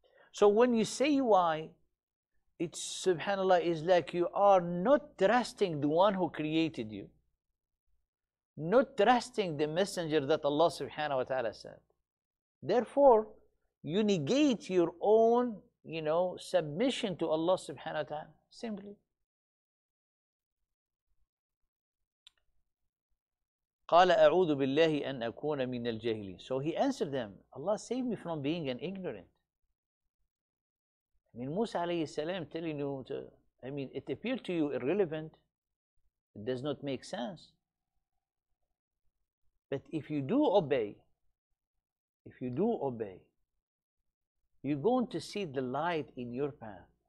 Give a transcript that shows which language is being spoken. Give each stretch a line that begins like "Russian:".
English: So when you say why, it's subhanAllah, is like you are not trusting the one who created you, not trusting the messenger that Allah subhanahu wa ta'ala sent. Therefore, you negate your own, you know, submission to Allah subhanahu wa ta'ala, simply.
Arabic: قال أعوذ بالله أن أكون من الجاهلين.
English: So he answered them, Allah save me from being an ignorant. I mean, Musa alayhi salam telling you to, I mean, it appeared to you irrelevant. It does not make sense. But if you do obey, if you do obey, you're going to see the light in your path.